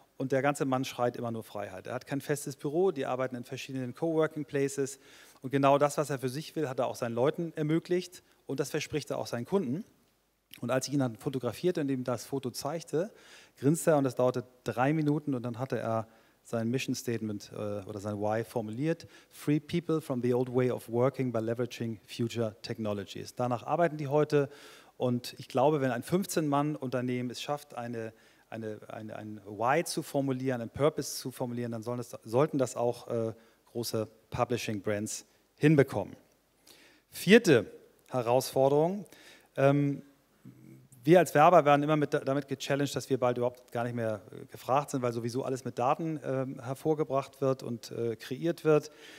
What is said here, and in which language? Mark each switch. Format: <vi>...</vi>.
<de>Und der ganze Mann schreit immer nur Freiheit. Er hat kein festes Büro, die arbeiten in verschiedenen Coworking Places. Und genau das, was er für sich will, hat er auch seinen Leuten ermöglicht. Und das verspricht er auch seinen Kunden. Und als ich ihn dann fotografierte und ihm das Foto zeigte, grinste er und das dauerte 3 Minuten. Und dann hatte er sein Mission Statement oder sein Why formuliert.</de> <en>Free people from the old way of working by leveraging future technologies.</en> <de>Danach arbeiten die heute. Und ich glaube, wenn ein 15-Mann-Unternehmen es schafft, ein Why zu formulieren, ein Purpose zu formulieren, dann sollten das auch große Publishing-Brands hinbekommen. Vierte Herausforderung. Wir als Werber werden immer damit gechallenged, dass wir bald überhaupt gar nicht mehr gefragt sind, weil sowieso alles mit Daten hervorgebracht wird und kreiert wird.</de>